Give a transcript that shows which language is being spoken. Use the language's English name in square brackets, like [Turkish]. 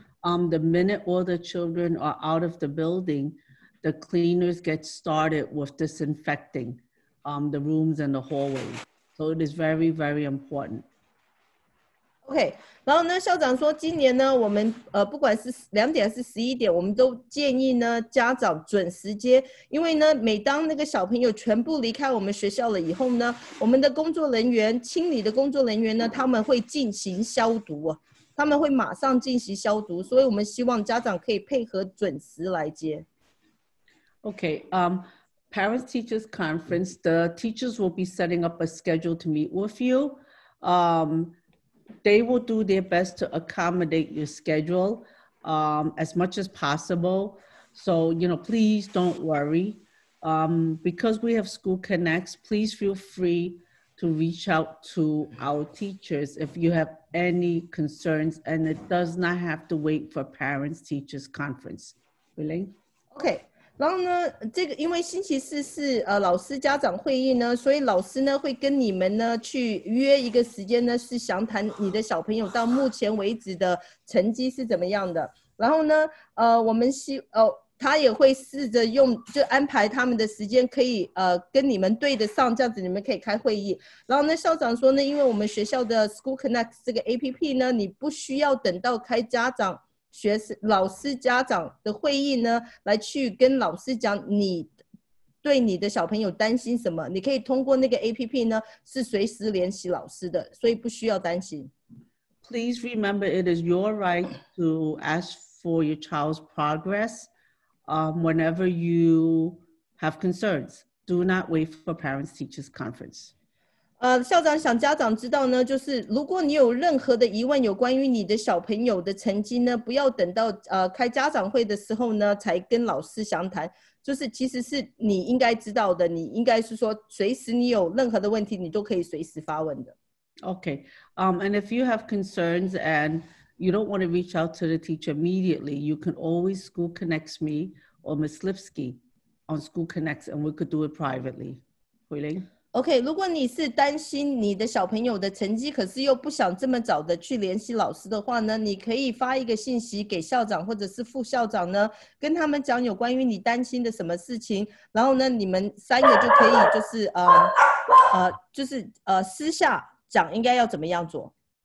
[English] The minute all the children are out of the building, the cleaners get started with disinfecting the rooms and the hallways. So it is very, very important. [Chinese] Okay, 然后呢，校长说今年呢，我们不管是两点还是十一点，我们都建议呢家长准时接，因为呢，每当那个小朋友全部离开我们学校了以后呢，我们的工作人员清理的工作人员呢，他们会进行消毒，他们会马上进行消毒，所以我们希望家长可以配合准时来接。 [English] Okay, Parents Teachers Conference, the teachers will be setting up a schedule to meet with you. They will do their best to accommodate your schedule as much as possible. So, you know, please don't worry. Because we have School Connects, please feel free to reach out to our teachers if you have any concerns, and it does not have to wait for parents' teachers' conference. Willing? Okay. [Chinese] 然后呢，这个因为星期四是老师家长会议呢，所以老师呢会跟你们呢去约一个时间呢，是详谈你的小朋友到目前为止的成绩是怎么样的。然后呢，我们希他也会试着用就安排他们的时间可以跟你们对得上，这样子你们可以开会议。然后呢，校长说呢，因为我们学校的 School Connect 这个 APP 呢，你不需要等到开家长。学生老师家长的会议呢，来去跟老师讲你对你的小朋友担心什么，你可以通过那个 APP 呢，是随时联系老师的，所以不需要担心。 [English] Please remember, it is your right to ask for your child's progress, whenever you have concerns. Do not wait for parents' teachers' conference. [Chinese] 校长想家长知道呢，就是如果你有任何的疑问，有关于你的小朋友的成绩呢，不要等到开家长会的时候呢，才跟老师详谈。就是其实是你应该知道的，你应该是说随时你有任何的问题，你都可以随时发问的。 [English] Okay, and if you have concerns and you don't want to reach out to the teacher immediately, you can always school connect me or Ms. Lipsky on school connect, and we could do it privately. [Chinese] 回来。 OK, 如果你是担心你的小朋友的成绩，可是又不想这么早的去联系老师的话呢，你可以发一个信息给校长或者是副校长呢，跟他们讲有关于你担心的什么事情，然后呢，你们三个就可以就是私下讲应该要怎么样做。